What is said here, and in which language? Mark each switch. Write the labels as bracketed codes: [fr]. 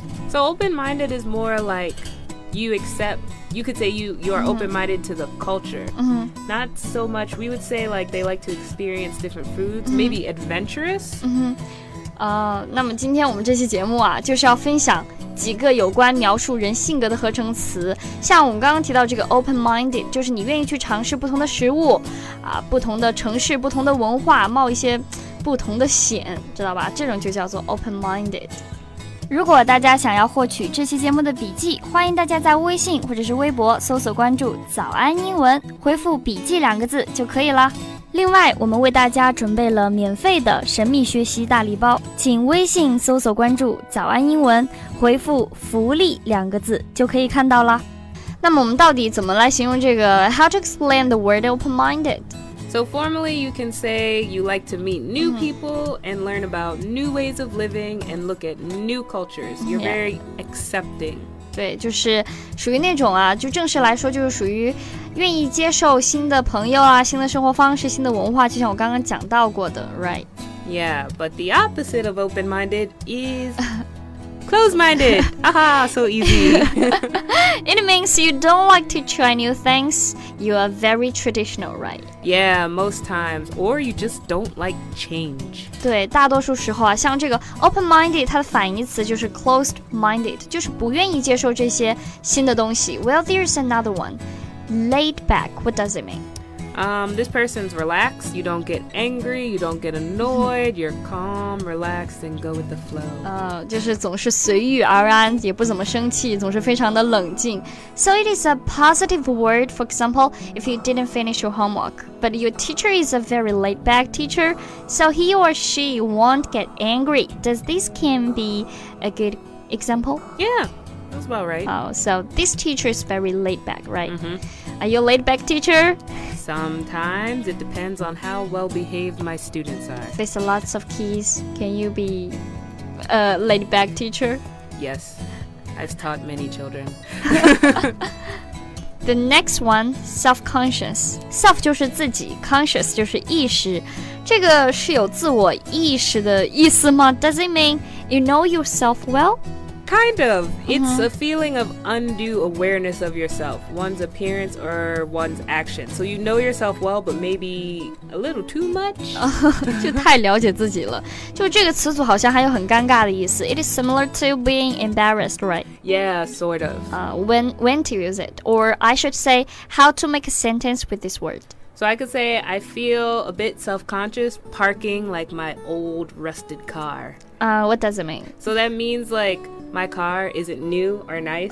[en] So open-minded is more like you accept, you could say you are open-minded to the culture. Mm-hmm. Not so much, we would say like they like to experience different foods, mm-hmm. maybe adventurous. Mm-hmm. [zh] 那么今天我们这期节目啊，就是要分享几个有关描述人性格的合成词。像我们刚刚提到这个 open-minded， 就是你愿意去尝试不同的食物，啊，不同的城市，不同的文化，冒一些不同的险，知道吧？这种就叫做 open-minded。如果大家想要获取这期节目的笔记，欢迎大家在微信或者是微博搜索关注“早安英文”，回复“笔记”两个字就可以了。另外，我们为大家准备了免费的神秘学习大礼包，请微信搜索关注早安英文，回复福利两个字就可以看到了。那么我们到底怎么来形容这个 [en] How to explain the word open-minded? So formally you can say you like to meet new people and learn about new ways of living and look at new cultures. You're very accepting. [zh] 对，就是属于那种啊，就正式来说就是属于愿意接受新的朋友啊，新的生活方式，新的文化，就像我刚刚讲到过的 ， [en] right? Yeah, but the opposite of open-minded is closed-minded. Aha, so easy. It means you don't like to try new things. You are very traditional, right? Yeah, most times, or you just don't like change. [zh] 对，大多数时候啊，像这个 open-minded， 它的反义词就是 closed-minded， 就是不愿意接受这些新的东西。 [en] Well, there's another one. Laid back, what does it mean? This person's relaxed, you don't get angry, you don't get annoyed, you're calm, relaxed, and go with the flow. [zh] 就是总是随遇而安，也不怎么生气，总是非常的冷静。 [en] So it is a positive word, for example, if you didn't finish your homework, but your teacher is a very laid back teacher, so he or she won't get angry. Does this can be a good example? Yeah. That's about right. Oh, so this teacher is very laid back, right? Mm-hmm. Are you a laid back teacher? Sometimes it depends on how well behaved my students are. There's lots of keys. Can you be a laid back teacher? Yes, I've taught many children. The next one, self-conscious. Self [zh] 就是自己 [en] ,conscious [zh] 就是意识。这个是有自我意识的意思吗? [en] Does it mean you know yourself well? Kind of. It's a feeling of undue awareness of yourself, one's appearance or one's action. So you know yourself well, but maybe a little too much. [zh] 就太了解自己了。就这个词组好像还有很尴尬的意思。 [en] It is similar to being embarrassed, right? Yeah, sort of. When to use it? Or I should say, how to make a sentence with this word? So I could say I feel a bit self-conscious parking like my old rusted car. What does it mean? So that means like my car isn't new or nice.